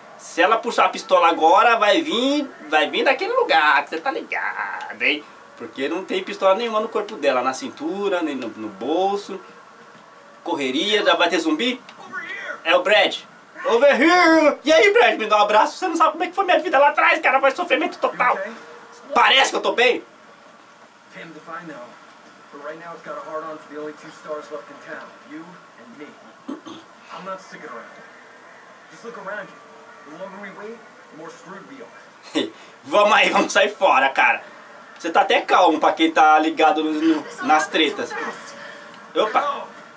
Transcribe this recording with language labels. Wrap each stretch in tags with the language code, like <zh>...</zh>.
<pt>Se ela puxar a pistola agora, vai vir daquele lugar, que você tá ligado, hein? Porque não tem pistola nenhuma no corpo dela, na cintura, nem no bolso. Correria, já vai ter zumbi? É o Brad.</pt> <en>Over here!</en> <pt>E aí, Brad, me dá um abraço. Você não sabe como é que foi minha vida lá atrás, cara. Foi sofrimento total. Okay. Parece que eu tô bem.</pt> <en>Tim, define now. But right now it's got a hard on for the only two stars left in town. You and me. I'm not sticking around. Just look around you. The longer we wait, the more screwed we are.</en> <pt>Vamos aí, vamos sair fora, cara. Você tá até calmo pra quem tá ligado nas tretas. Opa!</pt>